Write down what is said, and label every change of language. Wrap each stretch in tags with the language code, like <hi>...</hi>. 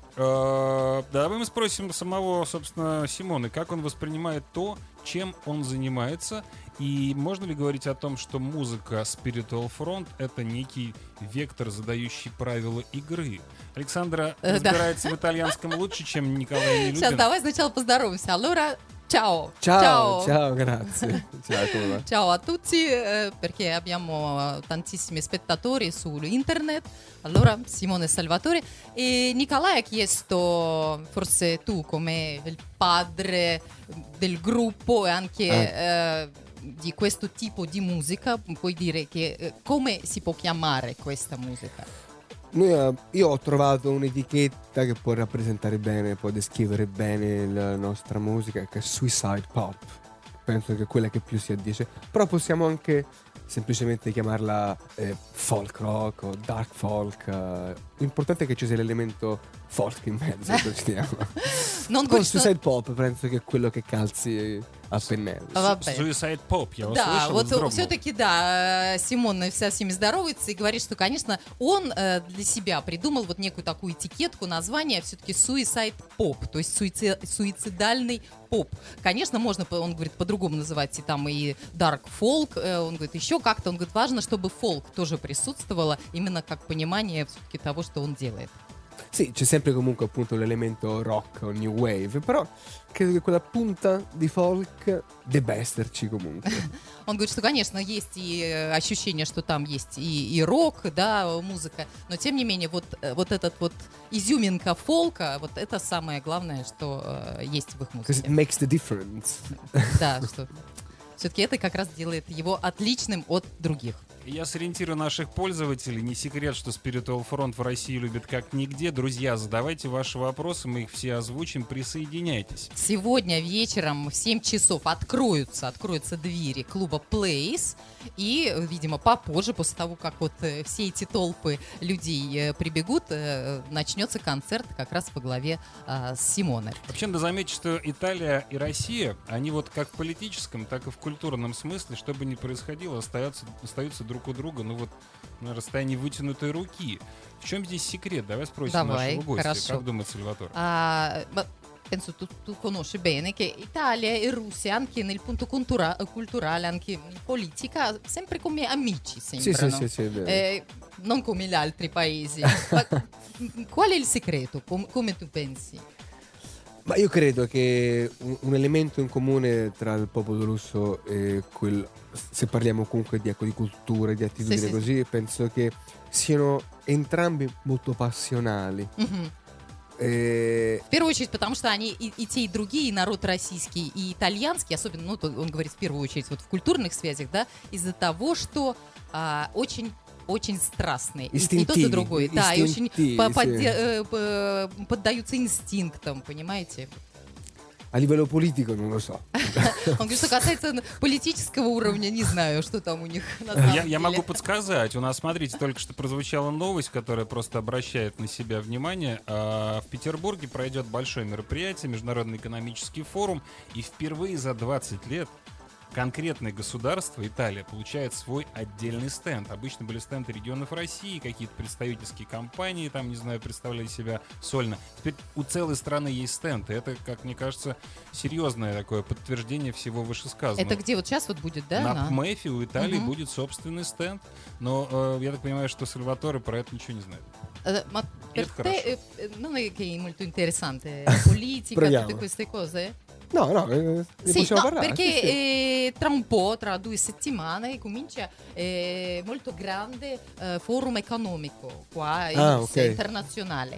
<ru>Давай мы спросим самого, собственно, Симоны, как он воспринимает то, чем он занимается, и можно ли говорить о том, что музыка Spiritual Front — это некий вектор, задающий правила игры? Александра разбирается в итальянском лучше, чем Николай Нелюбин. Сейчас, давай сначала поздороваемся.</ru> <it>Allora, ciao! Ciao, grazie! Ciao a tutti, perché abbiamo tantissimi spettatori sull'internet. Allora, Simone Salvatore. E Nicolai ha chiesto, forse tu come il padre del gruppo e anche di questo tipo di musica, puoi dire che come si può chiamare questa musica? Io ho trovato un'etichetta che può rappresentare bene, può descrivere bene la nostra musica, che è Suicide Pop. Penso che è quella che più si addice. Però possiamo anche semplicemente chiamarla folk rock o dark folk. L'importante è che ci sia l'elemento folk in mezzo, lo stiamo. Non con Suicide Pop penso che è quello che calzi a pennello.</it> <ru>Suicide Pop, я вас да, слышал. Вот все-таки, да, Симон со всеми здоровается и говорит, что, конечно, он для себя придумал вот некую такую этикетку, название все-таки Suicide Pop, то есть суицидальный поп. Конечно, можно, он говорит, по-другому называть и там и Dark Folk, он говорит, еще как-то, он говорит, важно, чтобы фолк тоже присутствовало, именно как понимание все-таки того, что он делает.</ru> <it>Sì, c'è sempre comunque appunto l'elemento rock o new wave, però credo che quella punta di folk debba esserci comunque.</it> <ru>Он говорит, что, конечно, есть и ощущение, что там есть и рок, да, музыка, но тем не менее вот этот вот изюминка фолка, вот это самое главное, что есть в их музыке.</ru> <en>Because it makes the difference.</en> <ru>Да, что все-таки это как раз делает его отличным от других. Я сориентирую наших пользователей. Не секрет, что Spiritual Front в России любит как нигде. Друзья, задавайте ваши вопросы, мы их все озвучим, присоединяйтесь. Сегодня вечером в 7 часов откроются двери клуба Place. И, видимо, попозже, после того, как вот все эти толпы людей прибегут, начнется концерт как раз по главе с Симоной. Вообще, надо заметить, что Италия и Россия, они вот как в политическом, так и в культурном смысле, что бы ни происходило, остаются друг у друга, ну вот на расстоянии вытянутой руки. В чем здесь секрет? Давай спросим нашего гостя. Хорошо. Как думает Сальватор?</ru> <it>Penso tu conosci bene che Italia e Russia anche nel punto culturale, anche in politica, sempre come amici sembrano. Sì, è vero. Non come gli altri paesi. Ma qual è il segreto? Come tu pensi? Ma io credo che un elemento in comune tra il popolo russo e quel, se parliamo comunque di cultura, di attitudine, sì, così, sì, penso che siano entrambi molto passionali.</it> <ru>В первую очередь, потому что они и те, и другие, и народ российский, и итальянский, особенно, ну, он говорит в первую очередь вот в культурных связях, да, из-за того, что очень-очень страстные. Инстинктивные. И тот, и другой. Да, и очень поддаются инстинктам, понимаете?</ru> <it>A livello politico, non lo so.</it> <ru>Он говорит, что касается политического уровня, не знаю, что там у них на самом деле. Я могу подсказать. У нас, смотрите, только что прозвучала новость, которая просто обращает на себя внимание. В Петербурге пройдет большое мероприятие, Международный экономический форум, и впервые за 20 лет конкретное государство, Италия, получает свой отдельный стенд. Обычно были стенды регионов России, какие-то представительские компании, там, не знаю, представляли себя сольно. Теперь у целой страны есть стенд, и это, как мне кажется, серьезное такое подтверждение всего вышесказанного. Это где вот сейчас вот будет, да? На ПМЭФе у Италии будет собственный стенд, но я так понимаю, что Сальваторе про это ничего не знает.</ru> <it>Ma per te, non è che è molto interessante politica, tutte queste cose? No, sì, possiamo parlare. Perché tra un po', tra due settimane, comincia molto grande forum economico qua, internazionale.</it>